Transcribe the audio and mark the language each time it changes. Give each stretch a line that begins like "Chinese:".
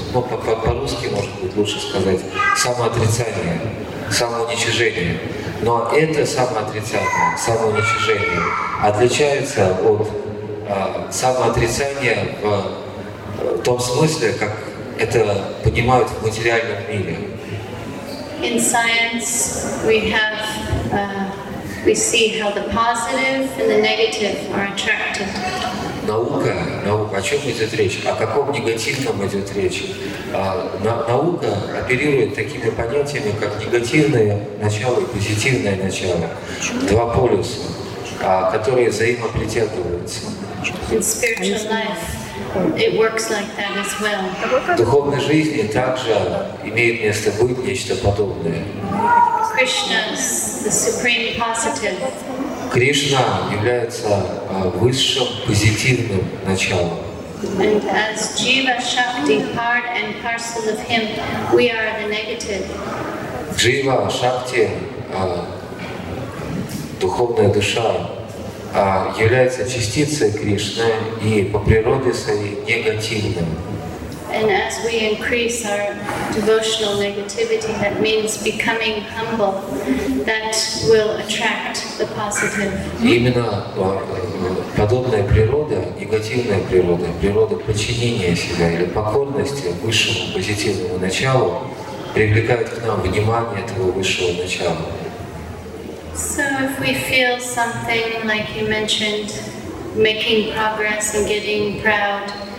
Russian: Ну, по-русски, может быть, лучше сказать самоотрицание, самоуничижение. Но это самоотрицание, самоуничижение отличается от самоотрицания в том смысле, как это понимают в материальном мире.
English: In science we have we see how the positive and the negative are attracted.
Russian: Наука, о чем идет речь? О каком негативном идет речь? Наука оперирует такими понятиями, как негативное начало и позитивное начало. Два полюса, которые взаимопритягиваются.
English: In spiritual life, it works like that as well.
Russian: В духовной жизни также имеет место быть нечто подобное.
English: Krishna's the supreme positive.
Russian: Кришна является высшим позитивным началом.
English: And as Jiva Shakti, part and parcel of Him, we are the negative.
Russian: Jiva Shakti, духовная душа, является частицей Кришны и по природе своей негативным.
English: And as we increase our devotional negativity, that means becoming humble, that will attract the positive.
Russian: Именно подобная природа, негативная природа, природа подчинения себя или покорности высшему позитивному началу привлекает к нам внимание этого высшего начала.
English: So if we feel something, like you mentioned, making progress and getting proud,